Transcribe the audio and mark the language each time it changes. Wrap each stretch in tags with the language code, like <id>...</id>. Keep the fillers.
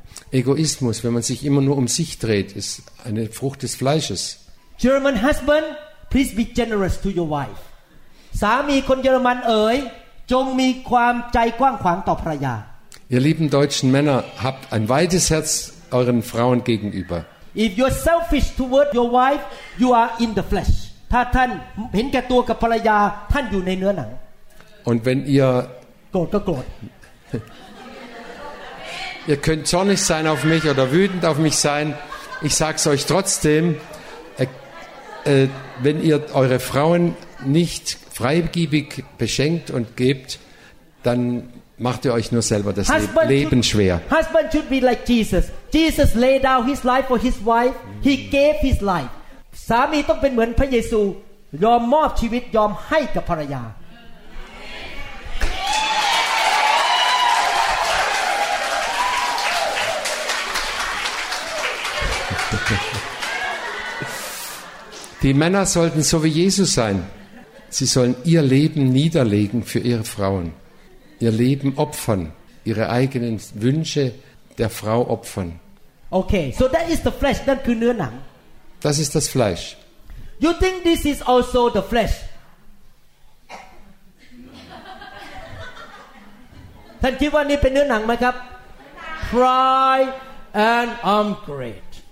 <de>Egoismus, wenn man sich immer nur um sich dreht, ist eine Frucht des Fleisches.</de> <en>German husband, please be generous to your wife.</en> <th>mi สามีคนเยอรมันเอ๋ยจงมีความใจกว้างขวางต่อภรรยา</th> <de>Ihr lieben deutschen Männer, habt ein weites Herz euren Frauen gegenüber.</de> <en>If you're selfish toward your wife, you are in the flesh.</en> <th>ถ้าท่านเห็นแก่ตัวกับภรรยาท่านอยู่ในเนื้อหนัง</th> <de>Und wenn ihr</de> <th>โกรธก็โกรธ</th> <de>Ihr könnt zornig sein auf mich oder wütend auf mich sein. Ich sag's euch trotzdem, äh, äh, wenn ihr eure Frauen nicht freigebig beschenkt und gebt, dann macht ihr euch nur selber das Le Leben schwer.</de> <en>Should, Husband should be like Jesus. Jesus laid down his life for his wife. Mm -hmm. He gave his life.</en> <th>สามีต้องเป็นเหมือนพระเยซูยอมมอบชีวิตยอมให้กับภรรยา</th> <de>Die Männer sollten so wie Jesus sein. Sie sollen ihr Leben niederlegen für ihre Frauen. Ihr Leben opfern. Ihre eigenen Wünsche der Frau opfern. Okay, so das ist das Fleisch. Das ist das Fleisch.</de> <en>You think this is also the flesh?</en> <th>ท่านคิดว่านี่เป็นเนื้อหนังไหมครับ</th> <en>Pride and I'm great.</en>